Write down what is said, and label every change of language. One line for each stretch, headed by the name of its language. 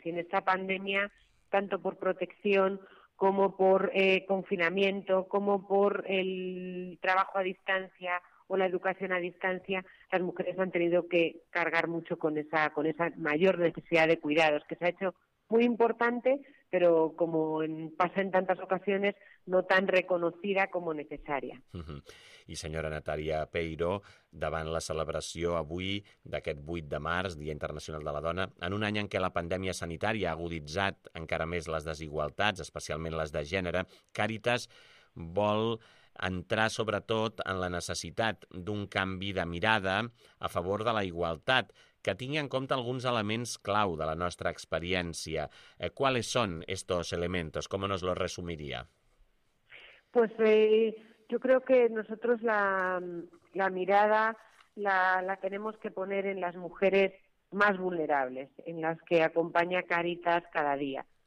Spanish: Y en esta pandemia, tanto por protección como por confinamiento, como por el trabajo a distancia o la educación a distancia, las mujeres han tenido que cargar mucho con esa mayor necesidad de cuidados, que se ha hecho muy importante, pero como pasa en tantas ocasiones, no tan reconocida como necesaria.
Catalan: I senyora Natàlia Peiro, davant la celebració avui d'aquest 8 de març, Dia Internacional de la Dona, en un any en què la pandèmia sanitària ha aguditzat encara més les desigualtats, especialment les de gènere, Càritas vol entrar sobretot en la necessitat d'un canvi de mirada a favor de la igualtat, que tingui en compte alguns elements clau de la nostra experiència.
Spanish: ¿Cuáles son estos elementos? ¿Cómo nos los resumiría? Pues yo creo que nosotros la mirada la tenemos que poner en las mujeres más vulnerables, en las que acompaña Cáritas cada día.